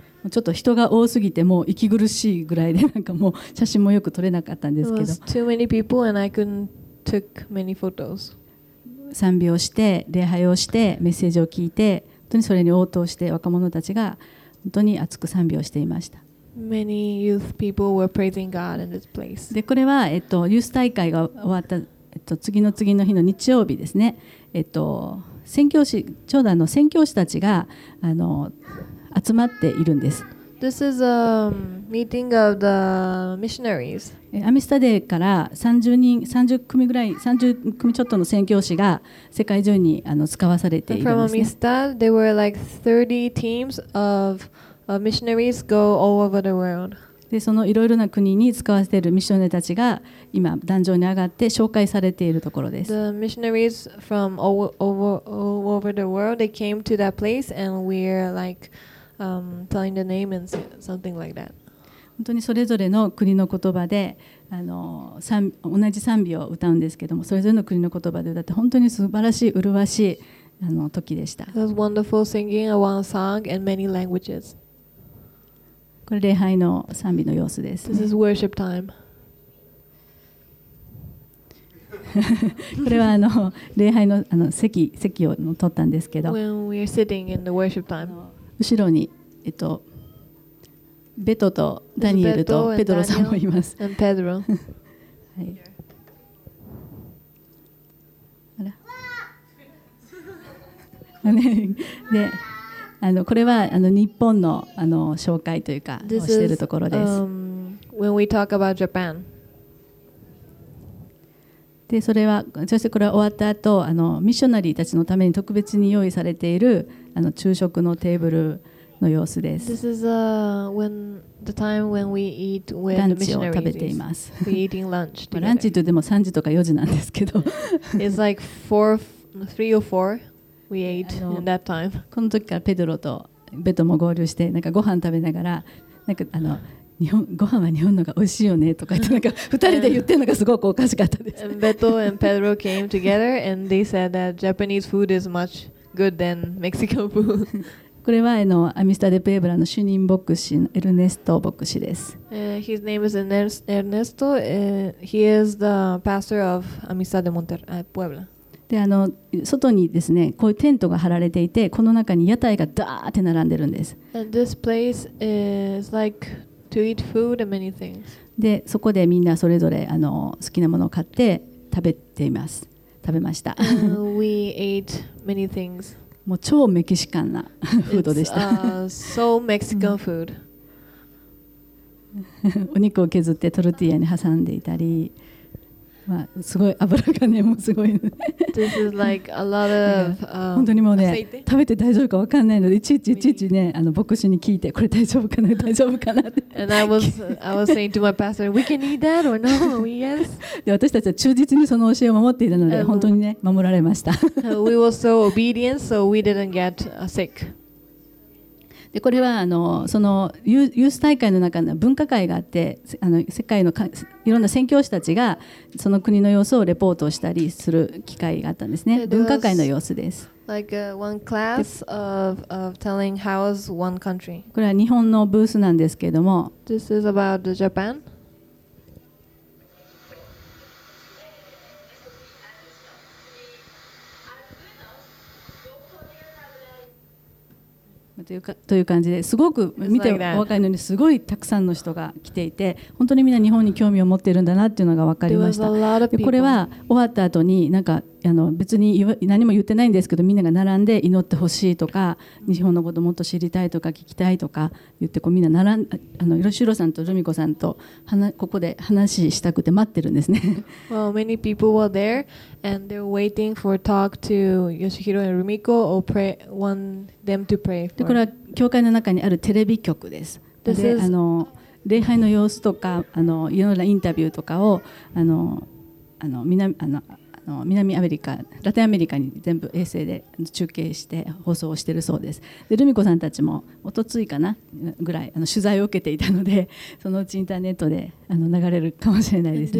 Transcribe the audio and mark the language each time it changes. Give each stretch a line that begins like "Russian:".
Japanese: ちょっと人が多すぎてもう息苦しいぐらいでなんかもう写真もよく撮れなかったんですけど。
English: It was too many people and I couldn't take many photos.
Japanese: 賛美をして礼拝をしてメッセージを聞いて本当にそれに応答して若者たちが本当に熱く賛美をしていました。
English: Many youth people were praising God in this place.
Japanese: で、これはユース大会が終わった次の日の日曜日ですね。宣教師ちょうど宣教師たちが集まっているんです。
English: This is a meeting of the missionaries.
Japanese: アミスタデーから30組ちょっとの宣教師が世界中に使わされているんですね。
English: From Amistad, there were like 30 teams of missionaries go all over the world.
Japanese: で、そのいろいろな国に使わせているミッショネたちが今壇上に上がって紹介されているところです。
English: The missionaries from all over the world, they came to that place and we're like telling the name and something like that.
Japanese: 本当にそれぞれの国の言葉で同じ賛美を歌うんですけども、それぞれの国の言葉で歌って本当に素晴らしい、麗しい時でした。
English: It was wonderful singing one song in many languages.
Japanese: これ礼拝の賛美の様子です、
English: ね。This is worship time.
Japanese: これは礼拝の席を取ったんですけど。
English: When we are sitting in the worship time.
Japanese: 後ろにベトとダニエルとペドロさんもいます。
English: And Pedro.
Japanese: はい。あら。ね。で。これは日本の紹介というかをしているところです。
English: When we talk about Japan.
Japanese: で、それはそしてこれは終わった後ミッショナリーたちのために特別に用意されている昼食のテーブルの様子です。
English: This is when the time when we eat with the missionaries.
Japanese: ランチを食べています。
English: We're eating lunch together.
Japanese: ランチといっても3時とか4時なんですけど。
English: It's like 3 or 4. We ate in that time.
Japanese: この時からペドロとベトも合流してなんかご飯食べながらなんか日本ご飯は日本のが美味しいよねとか言ってなんか二人で言ってるのがすごくおかしかったです。
English: And Beto and Pedro came together and they said that Japanese food is much good than Mexican food.
Japanese: これはアミスタデプエブラの主任牧師エルネスト牧師です。
English: His name is Ernesto. He is the pastor of Amistad de Puebla.
Japanese: で外にですね、こういうテントが張られていて、この中に屋台がダーって並んでるんです。
English: And this place is like to eat food and many things.
Japanese: で、そこでみんなそれぞれ好きなものを買って食べています。食べました。
English: We ate many things.
Japanese: もう超メキシカンなフードでした。
English: It's, so Mexican food.
Japanese: お肉を削ってトルティーヤに挟んでいたり、まあ、すごい油がねもうすごいね。
English: This is like a lot of
Japanese: 本当にもうね食べて大丈夫か分かんないのでいちいちねあの牧師に聞いてこれ大丈夫かな大丈夫かなって。
English: And I was saying to my pastor, we can eat that or no? Yes.
Japanese: で私たちは忠実にその教えを守っているので本当にね守られました。
English: We were so obedient, so we didn't get sick.
Japanese: でこれはあのそのユース大会の中の分科会があってあの世界のいろんな宣教師たちがその国の様子をレポートしたりする機会があったんですね分科会の様子です
English: like one class of telling how is one country.
Japanese: これは日本のブースなんですけれども
English: This is about Japan.
Japanese: という感じですごく見てお若いのにすごいたくさんの人が来ていて本当にみんな日本に興味を持っているんだなっていうのが分かりましたでこれは終わった後になんかあの別に何も言ってないんですけどみんなが並んで祈ってほしいとか日本のこともっと知りたいとか聞きたいとか言ってこうみんな並んあの吉郎さんとルミ子さんとここで話したくて待ってるんですね
English: Well, many people were there and they're waiting for talk to Yoshihiro and Rumiko or pray, want them to pray for.
Japanese: でこれは教会の中にあるテレビ局です
English: This is...
Japanese: であの礼拝の様子とかあのいろんなインタビューとかをあの南アメリカ、ラテンアメリカに全部衛星で中継して放送をしているそうです。で、ルミ子さんたちも一昨日かなぐらいあの取材を受けていたので、そのうちインターネットであの流れるかもしれないですね。